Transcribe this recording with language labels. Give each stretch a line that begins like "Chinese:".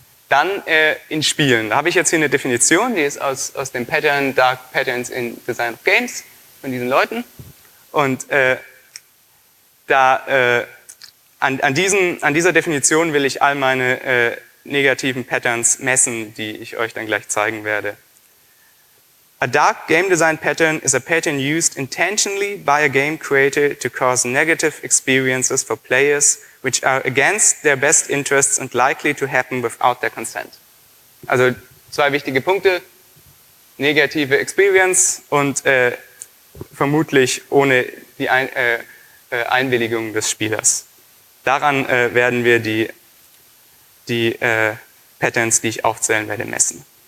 German: Dann in Spielen. Da habe ich jetzt hier eine Definition, die ist aus dem Pattern, Dark Patterns in Design of Games von diesen Leuten. Und an dieser Definition will ich all meine negativen Patterns messen, die ich euch dann gleich zeigen werde.
English: A dark game design pattern is a pattern used intentionally by a game creator to cause negative experiences for players, which are against their best interests and likely to happen without their consent.
German: Also zwei wichtige Punkte, negative Experience und vermutlich ohne die Einwilligung des Spielers. Daran werden wir die Patterns, die ich aufzählen werde, messen.